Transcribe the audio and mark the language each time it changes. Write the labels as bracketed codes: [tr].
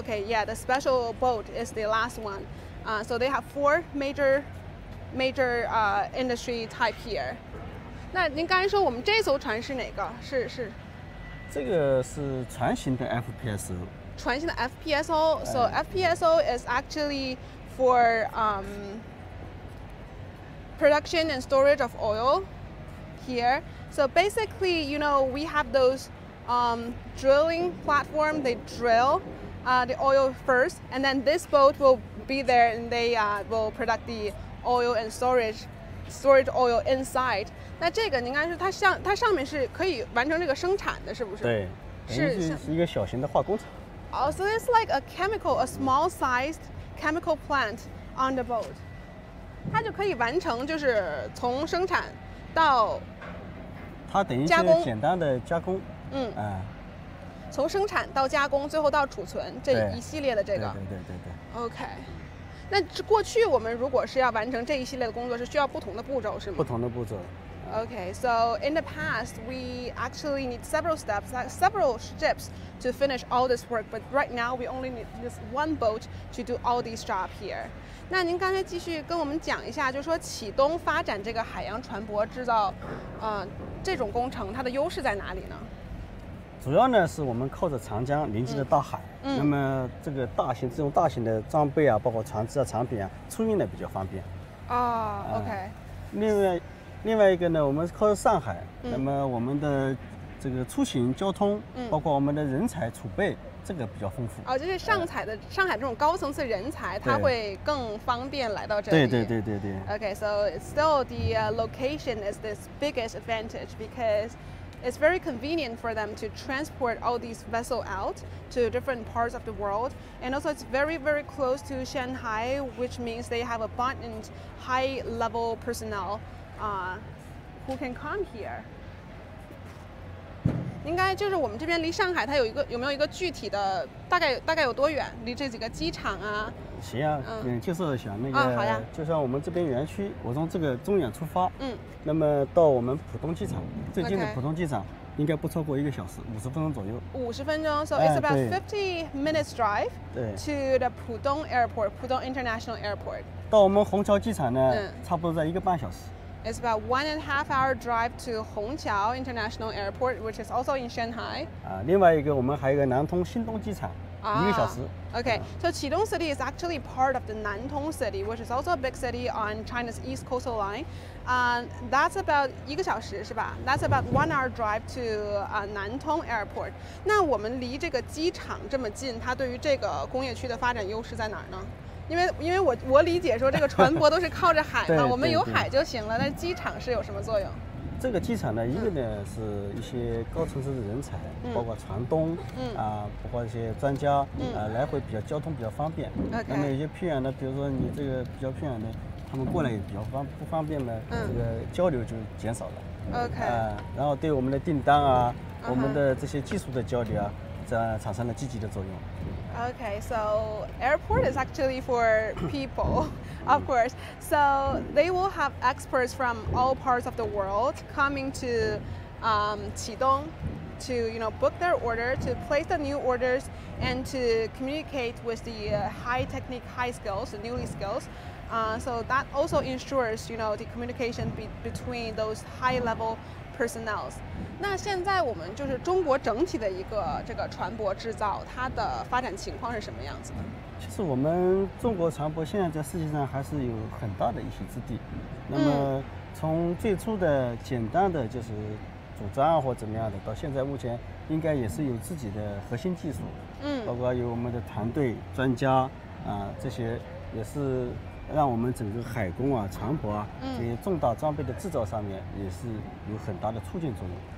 [en] Okay, yeah, the special boat is the last one. So they have four major industry type here. [zh] 那您刚才说我们这艘船是哪个？是。这个是船型的 FPSO. 船型的 [en] FPSO. So FPSO is actually for production and storage of oil here. So basically, you know, we have those drilling platform. They drill the oil first, and then this boat will be there, and they will product the oil and storage oil inside. [zh] 那这个应该是它上面是可以完成这个生产的，是不是？对，是一个小型的化工厂。 [en] So it's like a small-sized chemical plant. on the boat， [zh] 它就可以完成，就是从生产到它等于加工，简单的加工。从生产到加工，最后到储存这一系列的这个。对。 OK， 那过去我们如果是要完成这一系列的工作，是需要不同的步骤，是吗？不同的步骤。 [en] Okay, so in the past, we actually need several steps, several ships to finish all this work, but right now we only need this one boat to do all these jobs here. [zh] 那您刚才继续跟我们讲一下，就是说启东发展这个海洋船舶制造，这种工程它的优势在哪里呢？主要呢是我们靠着长江临近的大海，那么这个大型这种大型的装备啊，包括船只啊、产品啊，出运的比较方便。 [en] Okay. [zh] 另外一个呢，我们靠着上海，那么我们的这个出行交通，包括我们的人才储备，这个比较丰富。就是上海的上海这种高层次人才，他会更方便来到这里。对。 [en] Okay, so still the location is this biggest advantage because it's very convenient for them to transport all these vessels out to different parts of the world, and also it's very very close to Shanghai, which means they have abundant high level personnel. Who can come here? [zh] 应该就是我们这边离上海，它有一个有没有一个具体的大概有多远？离这几个机场啊？行啊，介绍一下那个。好呀。就像我们这边园区，我从这个中远出发。嗯。那么到我们浦东机场，最近的浦东机场应该不超过一个小时，五十分钟左右。五十分钟 [en] ，so it's about 50 minutes drive. [zh] 对。 [en] To the Pudong Airport, Pudong International Airport. [zh] 到我们虹桥机场呢，差不多在一个半小时。 [en] It's about 1.5 hour drive to Hongqiao International Airport, which is also in Shanghai. [zh] 另外一个我们还有一个南通新东机场，一个小时。 [en] Okay, so Qidong City is actually part of the Nantong City, which is also a big city on China's east coastal line. That's about [zh] 一个小时是吧 [en] ？That's about 1 hour drive to 南通 Airport. [zh] 那我们离这个机场这么近，它对于这个工业区的发展优势在哪儿呢？因为我理解说这个船舶都是靠着海嘛，我们有海就行了。那机场是有什么作用？这个机场呢，一个呢是一些高层次的人才，包括船东，包括一些专家，来回比较交通比较方便。 [en] Okay. [zh] 那么有些偏远的，比如说你这个比较偏远的，他们过来也比较不方便呢，这个交流就减少了。 [en] Okay. [zh] 然后对我们的订单啊，我们的这些技术的交流啊，这样产生了积极的作用。 [en] Okay, so airport is actually for people, of course. So they will have experts from all parts of the world coming to Qidong to, you know, book their order, to place the new orders, and to communicate with the high technique, high skills, the newly skills. So that also ensures, you know, the communication between those high level personnel. [zh] 那现在我们就是中国整体的一个这个船舶制造，它的发展情况是什么样子的？其实我们中国船舶现在在世界上还是有很大的一席之地。那么从最初的简单的就是组装或怎么样的，到现在目前应该也是有自己的核心技术，包括有我们的团队专家啊，这些也是让我们整个海工啊、船舶啊这些重大装备的制造上面也是有很大的促进作用。